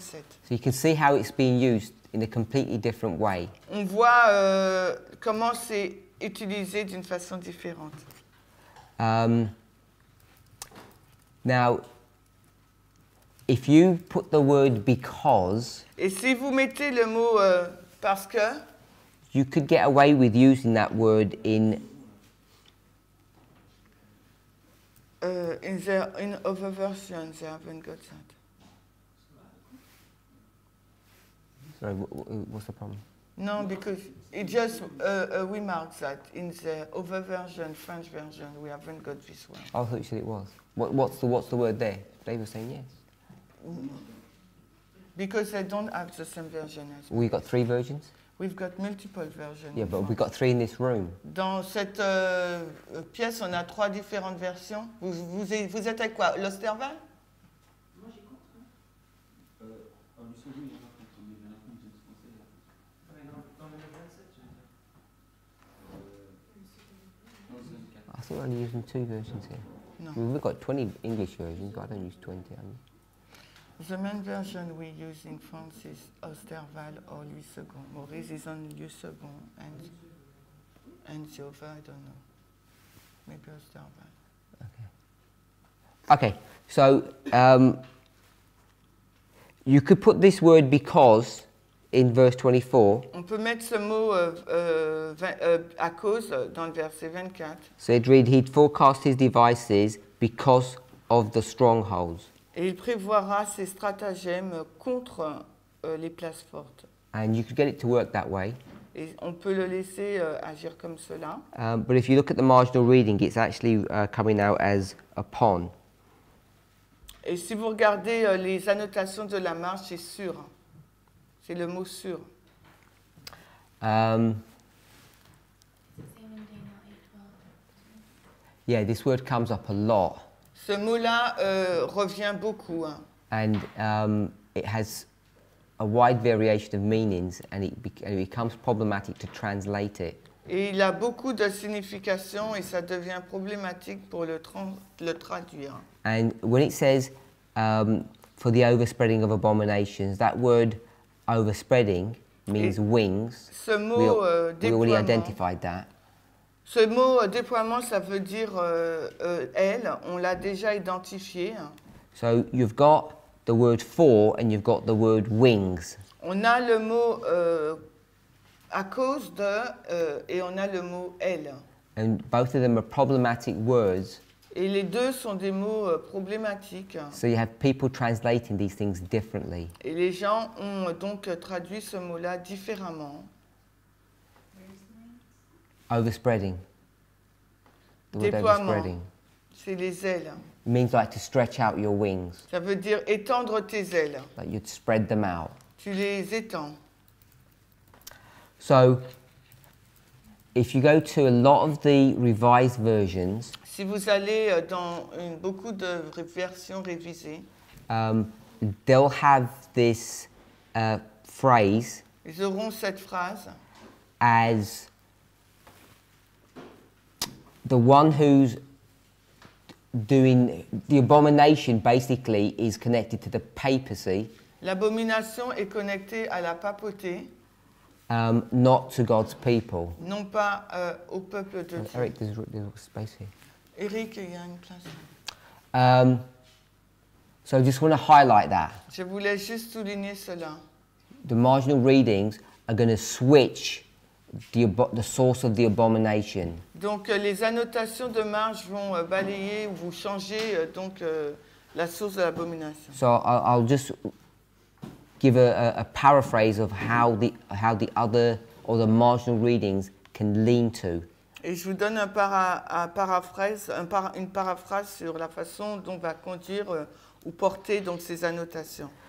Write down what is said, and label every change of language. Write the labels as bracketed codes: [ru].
[en] So you can see how it's being used in a completely different way. [fr] On voit comment c'est utilisé d'une façon différente. [en] Now, if you put the word because, [fr] et si vous mettez le mot parce que, [en] you could get away with using that word in other versions. I haven't got that. Sorry, what's the problem? No, because it just remarked that in the other version, French version, we haven't got this one. I thought you said it was. What's the word there? They were saying yes. Because they don't have the same version as we've got three versions? We've got multiple versions. Yeah, but we've got three in this room. [fr] Dans cette pièce, on a trois différentes versions. Vous êtes avec quoi? L'Osterval? [en] We're only using two versions here. No. We've got 20 English versions, but I don't use 20. I mean. The main version we use in France is Osterval or Louis Segond. Maurice is on Louis Segond, and Silva, I don't know. Maybe Osterval. Okay. Okay, so you could put this word because in verse 24. On peut mettre ce mot à cause dans le verset 24. So it read, he'd forecast his devices because of the strongholds. [fr] Et il prévoira ses stratagèmes contre les places fortes. [en] And you could get it to work that way. [fr] Et on peut le laisser agir comme cela. [en] But if you look at the marginal reading, it's actually coming out as upon. [fr] Et si vous regardez les annotations de la marge, c'est sûr. C'est le mot sûr. [en] Yeah, this word comes up a lot. [fr] Ce mot-là revient beaucoup. [en] And it has a wide variation of meanings, and it becomes problematic to translate it. [fr] Et il a beaucoup de significations, et ça devient problématique pour le traduire. [en] And when it says for the overspreading of abominations, that word overspreading means et wings. [fr] Ce mot, [en] we already identified that. [fr] Ce mot déploiement, ça veut dire aile. On l'a déjà identifié. [en] So you've got the word for and you've got the word wings. [fr] On a le mot à cause de et on a le mot aile. [en] And both of them are problematic words. [fr] Et les deux sont des mots problématiques. [en] So you have people translating these things differently. [fr] Et les gens ont donc traduit ce mot-là différemment. [en] Overspreading. [fr] Déploiement. C'est les ailes. [en] It means like to stretch out your wings. [fr] Ça veut dire étendre tes ailes. [en] Like you'd spread them out. [fr] Tu les étends. [en] So, if you go to a lot of the revised versions. [fr] Si vous allez dans beaucoup de versions révisées. [en] They'll have this phrase. [fr] Ils auront cette phrase. [en] As the one who's doing the abomination basically is connected to the papacy. [fr] L'abomination est connectée à la papauté. [en] Not to God's people. [fr] Non pas au peuple de Dieu. [en] Eric, there's a space here. [fr] Eric, il y a une place. [en] So I just want to highlight that. [fr] Je voulais juste souligner cela. [en] The marginal readings are going to switch the source of the abomination. [fr] Donc les annotations de marge vont balayer ou vous changer donc la source de l'abomination. [en] So I'll just give a paraphrase of how the other or the marginal readings can lean to. [fr] Et je vous donne une paraphrase sur la façon dont va conduire ou porter donc ces annotations.